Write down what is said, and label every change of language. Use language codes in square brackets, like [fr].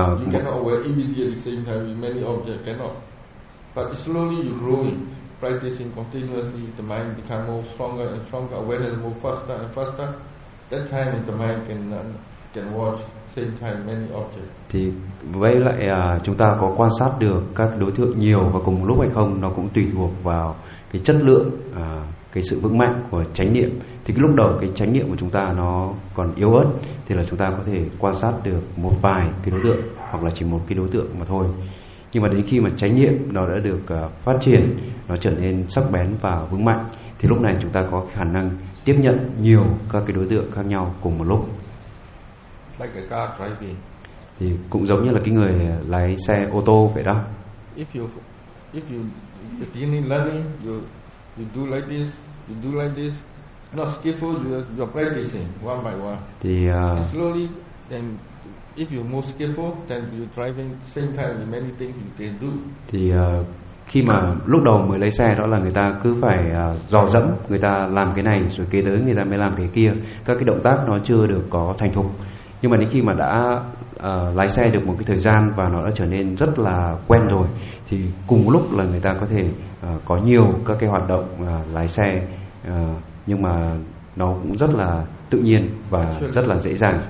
[en] you cannot aware immediately same time with many objects, cannot. But slowly you growing, practicing continuously, the mind become more stronger and stronger, awareness move faster and faster. That time the mind can watch same time many objects. [vi] Thì với lại chúng ta có quan sát được các đối tượng nhiều và cùng một lúc hay không, nó cũng tùy thuộc vào cái chất lượng, cái sự vững mạnh của chánh niệm. Thì cái lúc đầu cái chánh niệm của chúng ta nó còn yếu ớt, thì là chúng ta có thể quan sát được một vài cái đối tượng, hoặc là chỉ một cái đối tượng mà thôi. Nhưng mà đến khi mà chánh niệm nó đã được phát triển, nó trở nên sắc bén và vững mạnh, thì lúc này chúng ta có khả năng tiếp nhận nhiều các cái đối tượng khác nhau cùng một lúc. [en] Like a car driving. [vi] Thì cũng giống như là cái người lái xe ô tô vậy đó. [en] If you beginning learning, you do like this, you do like this, not skillful, you're practicing one by one. [vi] Thì [en] slowly, then if you're more skillful, then you driving same time with many things you can do. [vi] Thì khi mà lúc đầu mới lái xe đó là người ta cứ phải dò dẫm, người ta làm cái này rồi kế tới người ta mới làm cái kia, các cái động tác nó chưa được có thành thục. Nhưng mà đến khi mà đã lái xe được một cái thời gian và nó đã trở nên rất là quen rồi, thì cùng lúc là người ta có thể có nhiều các cái hoạt động lái xe, nhưng mà nó cũng rất là tự nhiên và rất là dễ dàng.